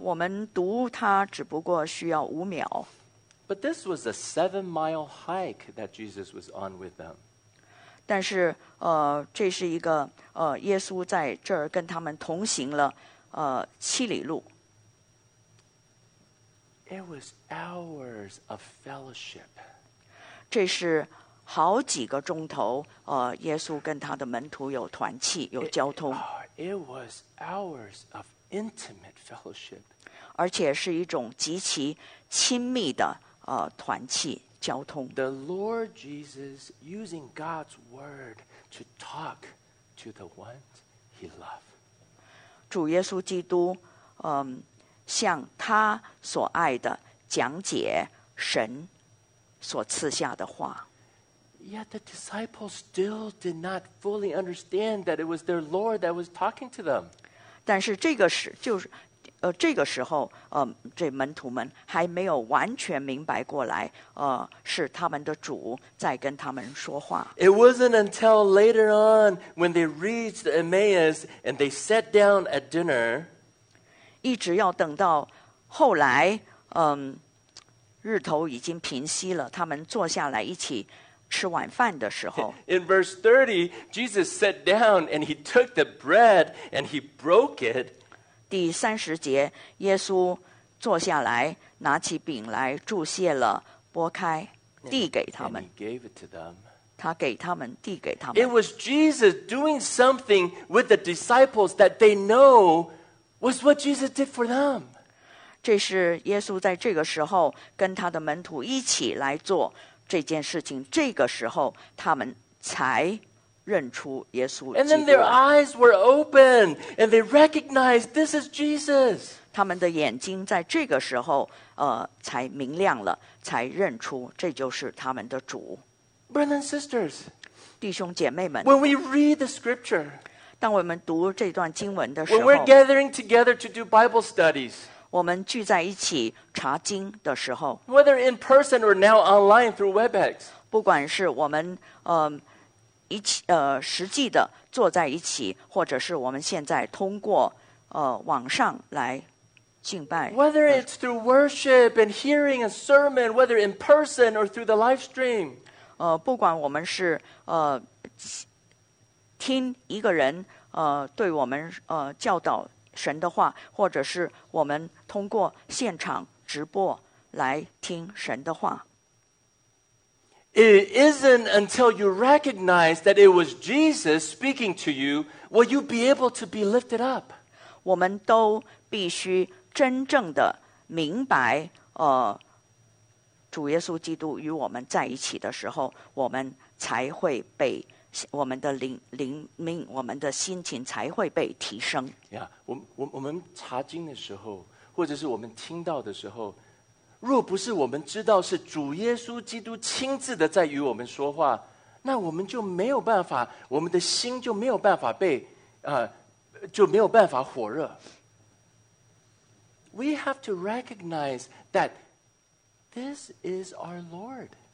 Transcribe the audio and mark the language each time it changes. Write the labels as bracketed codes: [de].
[zh] 我们读它只不过需要五秒。 [en] But this was a 7-mile hike that Jesus was on with them. [zh] 但是这是一个耶稣在这儿跟他们同行了七里路。 [en] It was hours of fellowship. [zh] 这是好几个钟头耶稣跟他的门徒有团契，有交通。 [en] It was hours of intimate fellowship. [zh] 而且是一种极其亲密的团契交通。 [en] The Lord Jesus using God's word to talk to the ones he loved. [zh] 主耶稣基督向他所爱的讲解神所赐下的话。 [en] Yet the disciples still did not fully understand that it was their Lord that was talking to them. [zh] 但是这个时就是这个时候这门徒们还没有完全明白过来是他们的主在跟他们说话。 [en] It wasn't until later on when they reached Emmaus and they sat down at dinner. [zh] 一直要等到后来日头已经平息了，他们坐下来一起吃晚饭的时候。 [en] In verse 30, Jesus sat down and he took the bread and he broke it. [zh] 第三十节，耶稣坐下来，拿起饼来，祝谢了，拨开，递给他们。 [en] And he gave it to them. [zh] 他给他们，递给他们。 [en] It was Jesus doing something with the disciples that they know was what Jesus did for them. [zh] 这是耶稣在这个时候跟他的门徒一起来做这件事情，这个时候他们才认出耶稣基督。 [en] And then their eyes were open, and they recognized this is Jesus. [zh] 他们的眼睛在这个时候，才明亮了，才认出这就是他们的主。 [en] Brothers and sisters, [zh] 弟兄姐妹们 [en] ，When we read the scripture, [zh] 当我们读这段经文的时候 [en] ，When we're gathering together to do Bible studies. [zh] 我们聚在一起查经的时候 [en] Whether in person or now online through WebEx [zh] 不管是我们一起实际的坐在一起或者是我们现在通过网上来敬拜 [en] Whether it's through worship and hearing a sermon Whether in person or through the live stream [zh] 不管我们是听一个人对我们教导神的话或者是我们通过现场直播来听神的话 [en] It isn't until you recognize that it was Jesus speaking to you will you be able to be lifted up [zh] 我们都必须真正的明白主耶稣基督与我们在一起的时候我们才会被我们的灵命我们的心情才会被提升 yeah, 我们查经的时候或者是我们听到的时候若不是我们知道是主耶稣基督亲自的在与我们说话那我们就没有办法我们的心就没有办法被就没有办法火热 [en] We have to recognize that this is our Lord